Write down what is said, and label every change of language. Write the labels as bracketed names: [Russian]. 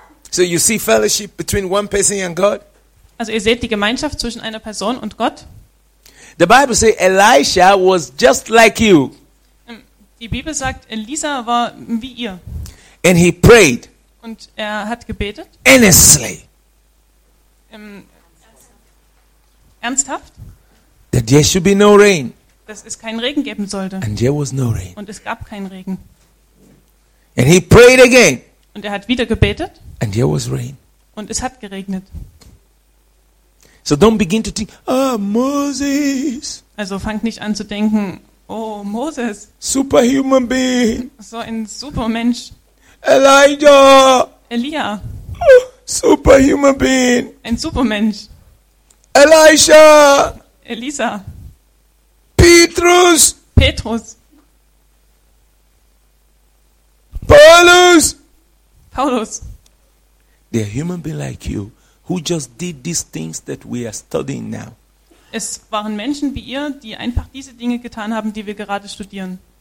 [English] So you see fellowship between one person and God? [German] Also ihr seht die Gemeinschaft zwischen einer Person und Gott? [English] The Bible says Elisha was just like you. [German] Die Bibel sagt, Elisa war wie ihr. [English] And he prayed. [German] Und er hat gebetet. [English] Earnestly. [German] Ernsthaft? [English] That there should be no rain. [German] Dass es keinen Regen geben sollte. [English] And there was no rain. [German] Und es gab keinen Regen. [English] And he prayed again. [German] Und er hat wieder gebetet. [English] And there was rain. [German] Und es hat geregnet. [English] So don't begin to think, oh, Moses. [German] Also fangt nicht an zu denken, oh, Moses. [English] Superhuman being. [German] So ein Supermensch. [English] Elijah. [German] Elia. [English] Superhuman being. [German] Ein Supermensch. [English] Elisha. [German] Elisa. Petrus. Petrus. Paulus. Paulus. [English] They are human beings like you. Who just did these things that we are studying now? [German] Es waren Menschen wie ihr, die einfach diese Dinge getan haben, die wir gerade studieren.